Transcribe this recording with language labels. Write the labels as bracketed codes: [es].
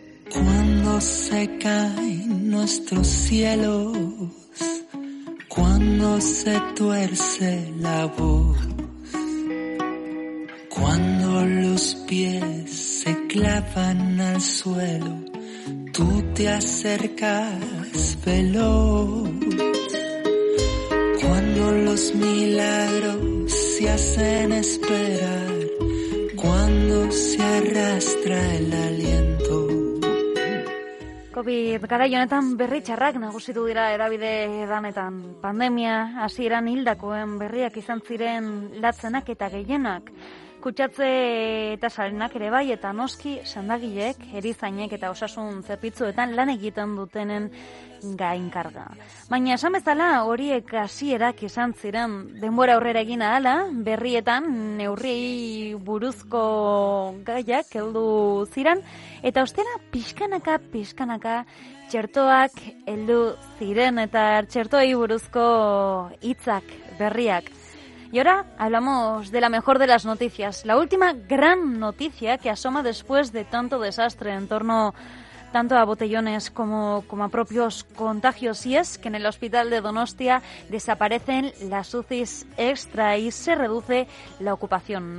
[es] Cuando se caen nuestros cielos, cuando se tuerce la voz, cuando los pies se clavan al suelo, tú te acercas veloz. Cuando los milagros se hacen esperar, cuando se arrastra el aliento. [eu] Kopi, garai honetan berri txarrak nagusitu dira erabide danetan. Pandemia hasieran hildakoen berriak izan ziren latzenak eta gehienak. Kutsatze eta salenak ere bai, eta noski sendagilek, erizainek eta osasun zerbitzuetan lan egiten dutenen gainkarga. Baina esan bezala horiek hasierak izan ziren, denbora aurrera egin ahala, berrietan neurriei buruzko gaiak heldu ziren, eta ostera pixkanaka, txertoak heldu ziren, eta txertoei buruzko hitzak berriak. [es] Y ahora hablamos de la mejor de las noticias, la última gran noticia que asoma después de tanto desastre en torno tanto a botellones como a propios contagios, y es que en el hospital de Donostia desaparecen las UCIs extra y se reduce la ocupación.